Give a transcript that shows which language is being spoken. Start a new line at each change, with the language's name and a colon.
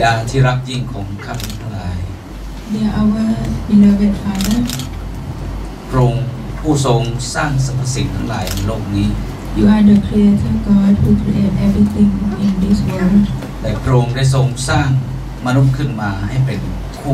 Thai: ที่รักยิ่งของข้าพเจ้าทั้งหลาย
English: Dear our beloved Father
Thai: พระองค์ผู้ทรงสร้างสรรพสิ่งทั้งหลายในโลกนี้
English: You are the creator God who created everything in this world
Thai: และพระองค์ได้ทรงสร้างมนุษย์ขึ้นมาให้เป็นคู